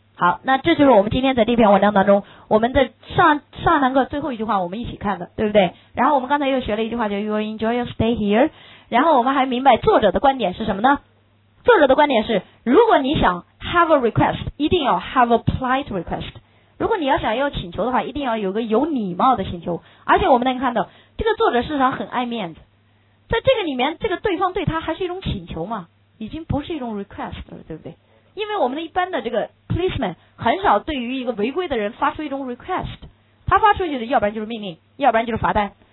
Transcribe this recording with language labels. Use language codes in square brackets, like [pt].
[zh] 好，那这就是我们今天的这篇文章当中，我们的上堂课最后一句话我们一起看的，对不对？然后我们刚才又学了一句话叫 [en] You will enjoy your stay here。 [zh] 然后我们还明白作者的观点是什么呢？作者的观点是，如果你想 [en] have a request， [zh] 一定要 [en] have a polite request。 [zh] 如果你要想要请求的话，一定要有个有礼貌的请求。而且我们能看到这个作者事实上很爱面子，在这个里面，这个对方对他还是一种请求嘛，已经不是一种 request 了，对不对？因为我们的一般的这个 policeman 很少对于一个违规的人发出一种 request， 他发出去的要不然就是命令，要不然就是罚单。